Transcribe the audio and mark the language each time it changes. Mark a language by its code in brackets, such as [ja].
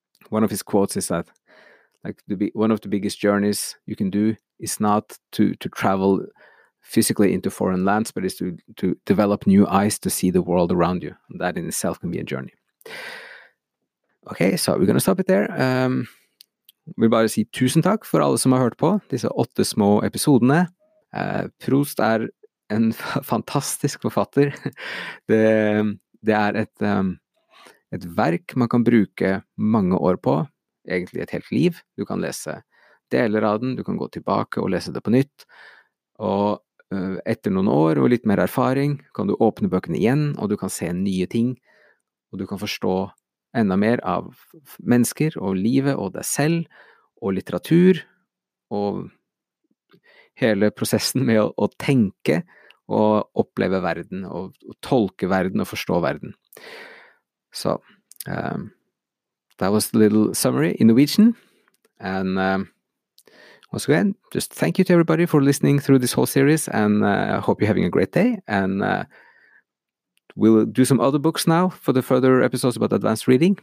[en] One of his quotes is that, like, one of the biggest journeys you can do is not to travel physically into foreign lands, but is to develop new eyes to see the world around you. And that in itself can be a journey. Okay, so we're going to stop it there. We're about to say [no] tusen takk for alle som har hørt på disse 8 små episodene. Proust er en fantastisk forfatter. Det er et verk man kan bruke mange år på, egentlig et helt liv. Du kan lese deler av den, du kan gå tilbake og lese det på nytt, og etter noen år og litt mer erfaring kan du åpne bøkene igjen, og du kan se nye ting, og du kan forstå enda mer av mennesker og livet og deg selv og litteratur og hele prosessen med å tenke og oppleve verden og tolke verden og forstå verden. [en] Så, that was the little summary in Norwegian. And once again, just thank you to everybody for listening through this whole series, and I hope you're having a great day. And we'll do some other books now for the further episodes about advanced reading.